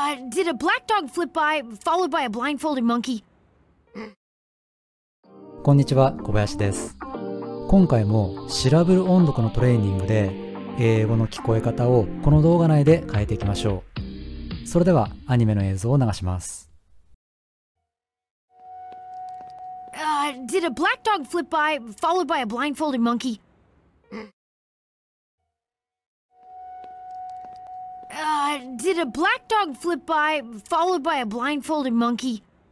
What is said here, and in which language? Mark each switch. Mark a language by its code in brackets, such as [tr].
[en] Did a black dog flip by, followed by a blindfolded monkey? [ja] こんにちは、小林です。今回もシラブル音読のトレーニングで英語の聞こえ方をこの動画内で変えていきましょう。それではアニメの映像を流します。 [en] Did a black dog flip by, followed by a blindfolded monkey? Did a black dog flip by, followed by a blindfolded monkey?